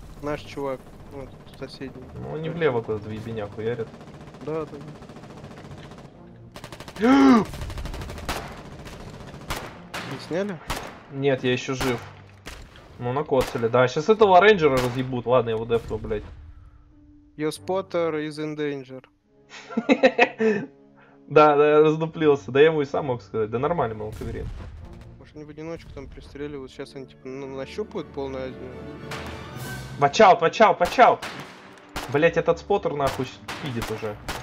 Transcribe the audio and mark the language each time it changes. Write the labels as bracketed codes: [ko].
[ru] Наш чувак, вот, соседний. Ну, не влево куда-то в ебеня хуярит. Да, да. Не сняли? Нет, я еще жив. Ну, накоцали. Да, сейчас этого рейнджера разъебут. Ладно, я его дефну, блядь. [en] Your spotter is in danger. [ru] Да, я раздуплился. Да я ему и сам мог сказать. Да нормально, мол, каверин. Не в одиночку там пристреливают, сейчас они типа нащупают полное один. [en] Watch out! [ru] Блять, этот споттер нахуй фидит уже.